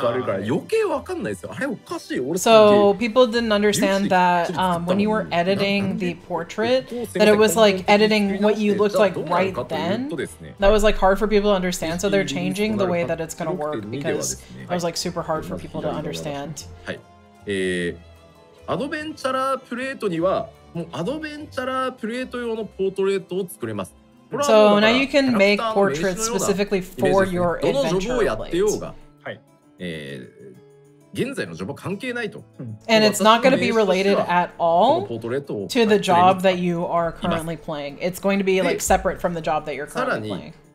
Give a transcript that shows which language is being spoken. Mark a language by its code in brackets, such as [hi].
[ja] でもポートレートを作ってから各用途に適用するっていう形になってって、しかもプレビューする時とか編集する時はその時作ってセーブした装備じゃなくて現在の装備が使われるから余計わかんないですよ。あれおかしい。So [en] people didn't understand that when you were editing the portrait that it was like editing what you looked like right then. That was like hard for people to understand, so they're changing the way that it's going to work because it was like super hard for people to understand. [ja] アドベンチャラプレートにはもうアドベンチャラプレート用のポートレートを作れます。 [en] So now you can make portraits specifically for your adventure plate. And it's not going to be related at all to the job that you are currently playing. It's going to be like separate from the job that you're currently playing.